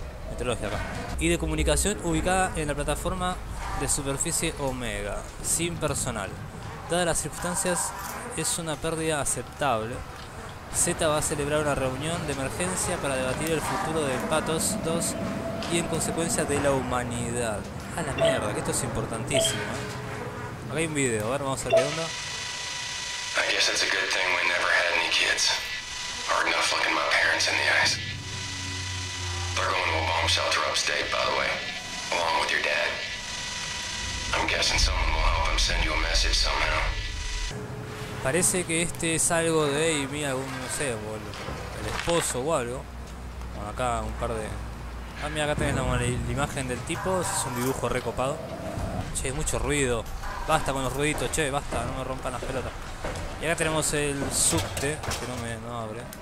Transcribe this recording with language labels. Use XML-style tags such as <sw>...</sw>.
<es>Meteorológica, acá. Y de comunicación ubicada en la plataforma de superficie Omega, sin personal. Dadas las circunstancias, es una pérdida aceptable. Z va a celebrar una reunión de emergencia para debatir el futuro de Patos 2 y en consecuencia de la humanidad. A la mierda, que esto es importantísimo. Acá hay un video, a ver, vamos a ver qué onda.</es> <en>I guess it's a good thing we never had any kids. Hard enough looking my parents in the eyes. They're going to a bomb shelter upstate, by the way. Along with your dad. I'm guessing someone will help him send you a message somehow.</en> <es>Parece que este es algo de Amy, algún, no sé, el esposo o algo. Bueno, acá un par de... Ah, mira, acá tenés la imagen del tipo, es un dibujo recopado. Che, mucho ruido. Basta con los ruiditos, che, basta, no me rompan las pelotas. Y acá tenemos el subte, que no abre.</es>